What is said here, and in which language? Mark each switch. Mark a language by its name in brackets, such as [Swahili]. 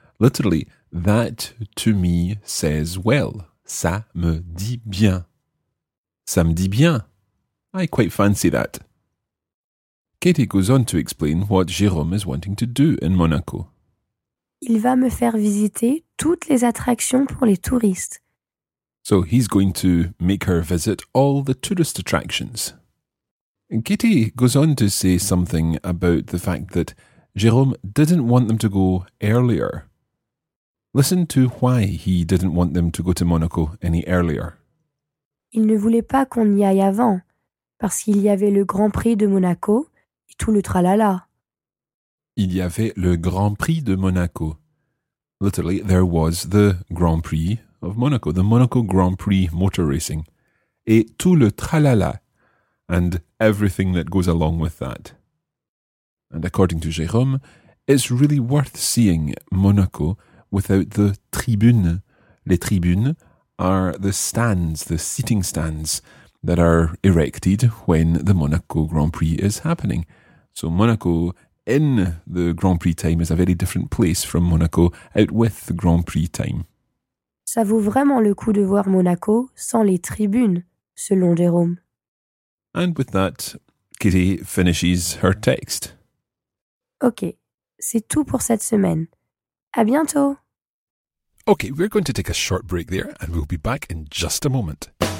[English] Literally, that to me says well. [French] Ça me dit bien. Ça me dit bien. [English] I quite fancy that. Katie goes on to explain what Jérôme is wanting to do in Monaco. [French] Il va me faire visiter toutes les attractions pour les touristes. [English] So he's going to make her visit all the tourist attractions. And Katie goes on to say something about the fact that Jérôme didn't want them to go earlier. Listen to why he didn't want them to go to Monaco any earlier. [French] Il ne voulait pas qu'on y aille avant, parce qu'il y avait le Grand Prix de Monaco et tout le tralala. Il y avait le Grand Prix de Monaco. [English] Literally, there was the Grand Prix of Monaco, the Monaco Grand Prix motor racing. [French] Et tout le tralala, [English] and everything that goes along with that. And according to Jérôme, it's really worth seeing Monaco without the tribunes. Les tribunes are the stands, the seating stands, that are erected when the Monaco Grand Prix is happening. So Monaco in the Grand Prix time is a very different place from Monaco out with the Grand Prix time. [French] Ça vaut vraiment le coup de voir Monaco sans les tribunes, selon Jérôme. [English] And with that, Kitty finishes her text. [French] Ok, c'est tout pour cette semaine. À bientôt! [English] Ok, we're going to take a short break there and we'll be back in just a moment.